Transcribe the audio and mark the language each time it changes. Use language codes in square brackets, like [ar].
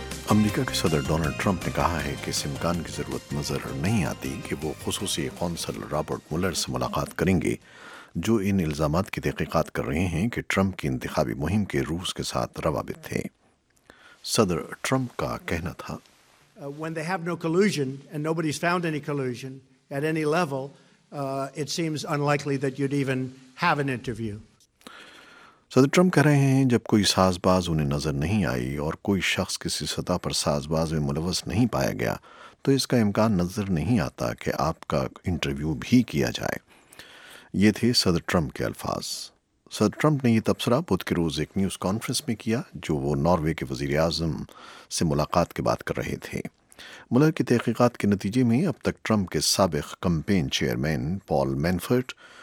[ur] امریکہ کے صدر Donald Trump نے کہا ہے کہ اس امکان کی ضرورت نظر نہیں آتی کہ وہ خصوصی قونصل رابرٹ مولر سے ملاقات کریں گے جو ان الزامات کی تحقیقات کر رہے ہیں کہ ٹرمپ کی انتخابی مہم کے روس کے ساتھ روابط تھے۔ صدر ٹرمپ کا کہنا تھا [en] When they have no collusion and nobody's found any collusion at any level, it seems unlikely that you'd even have an interview. [ur] صدر ٹرمپ کہہ رہے ہیں جب کوئی ساز باز انہیں نظر نہیں آئی اور کوئی شخص کسی سطح پر ساز باز میں ملوث نہیں پایا گیا تو اس کا امکان نظر نہیں آتا کہ آپ کا انٹرویو بھی کیا جائے۔ یہ تھے صدر ٹرمپ کے الفاظ۔ صدر ٹرمپ نے یہ تبصرہ بدھ کے روز ایک نیوز کانفرنس میں کیا جو وہ ناروے کے وزیر اعظم سے ملاقات کے بعد کر رہے تھے۔ مولر کی تحقیقات کے نتیجے میں اب تک ٹرمپ کے سابق کمپین چیئرمین پال مینفرٹ